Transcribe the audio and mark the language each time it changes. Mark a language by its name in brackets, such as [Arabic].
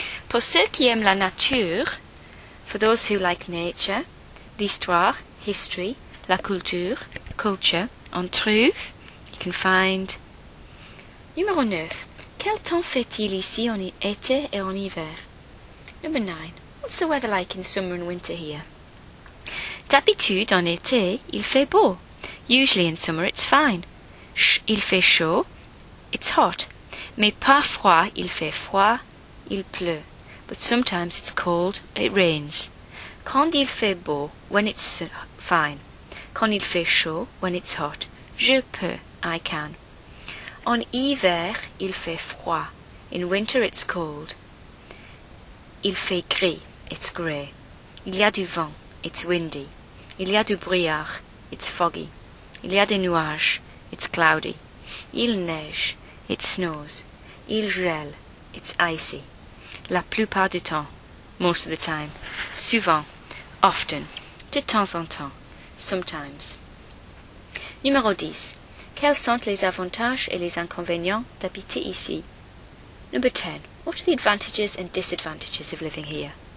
[French] Pour ceux qui aiment la nature, [English] for those who like nature, [French] l'histoire, history, la culture, culture, on trouve, [English] you can find. [French] Numéro 9. Quel temps fait-il ici en été et en hiver? [English] Number 9. What's the weather like in summer and winter here? [French] D'habitude, en été, il fait beau. [English] Usually in summer, it's fine. [French] Il fait chaud. [English] It's hot. [French] Mais parfois, il fait froid. Il pleut. [English] But sometimes it's cold. It rains. [French] Quand il fait beau, [English] when it's fine. [French] Quand il fait chaud, [English] when it's hot. [French] Je peux. [English] I can. [French] En hiver, il fait froid. [English] In winter, it's cold. [French] Il fait gris. [English] It's grey. [French] Il y a du vent. [English] It's windy. [French] Il y a du brouillard. [English] It's foggy. [French] Il y a des nuages. [English] It's cloudy. [French] Il neige. [English] It snows. [French] Il gèle. [English] It's icy. [French] La plupart du temps. [English] Most of the time. [French] Souvent. [English] Often. [French] De temps en temps. [English] Sometimes. [French] Numéro 10. Quels sont les avantages et les inconvénients d'habiter ici? [English] Number 10. What are the advantages and disadvantages of living here?